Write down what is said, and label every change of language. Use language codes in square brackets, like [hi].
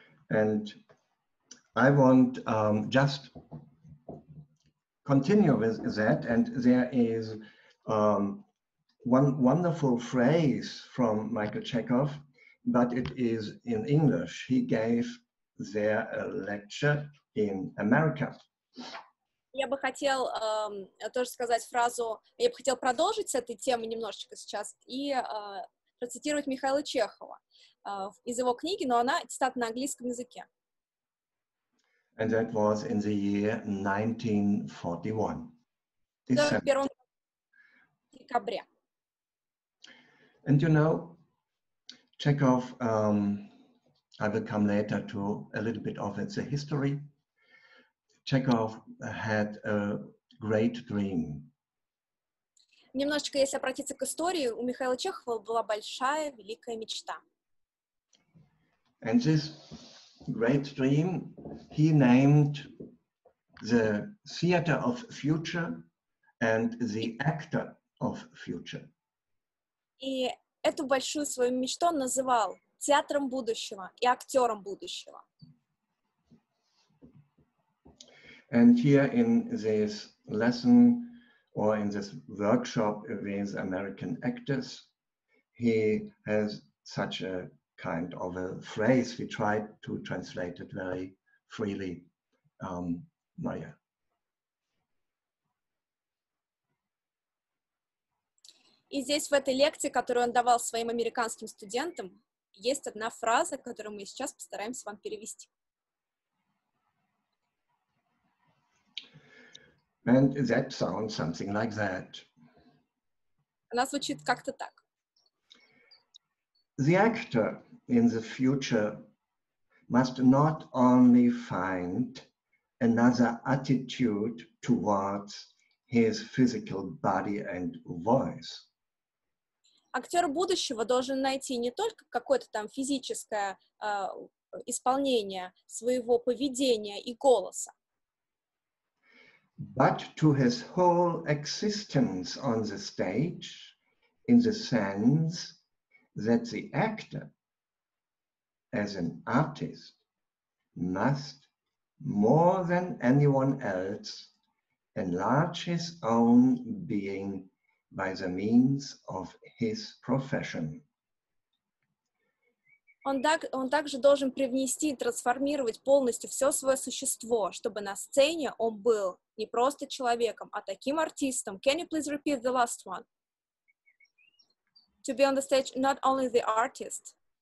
[en] And I want just continue with that, and there is one wonderful phrase from Michael Chekhov, but it is in English. He gave there a lecture in America. [ru] Я бы хотел тоже сказать фразу, я бы хотел продолжить с этой темы немножечко сейчас и процитировать Михаила Чехова из его книги, но она цитата на английском языке. [en] And that was in the year 1941. December. [ru] Декабря. [en] And you know, Chekhov, I will come later to a little bit of it, the history. Chekhov had a great dream. [ru] Немножечко, если обратиться к истории, у Михаила Чехова была большая, великая мечта. [en] And this great dream he named the theater of future and the actor of future. [ru] И эту большую свою мечту он называл театром будущего и актером будущего. [en] And here in this lesson or in this workshop with American actors, he has such a kind of a phrase. We tried to translate it very freely, Maya. [ru] И здесь, в этой лекции, которую он давал своим американским студентам, есть одна фраза, которую мы сейчас постараемся вам перевести. [en] And that sounds something like that. [ru] Она звучит как-то так. [en] The actor in the future must not only find another attitude towards his physical body and voice. [ru] Актер будущего должен найти не только какое-то там физическое исполнение своего поведения и голоса, [en] but to his whole existence on the stage, in the sense that the actor as an artist must more than anyone else enlarge his own being by the means of his profession. [ru] Он также должен привнести и трансформировать полностью все свое существо, чтобы на сцене он был не просто человеком, а таким артистом. [en] Can you please repeat the last one? To be on the stage, not only the artist.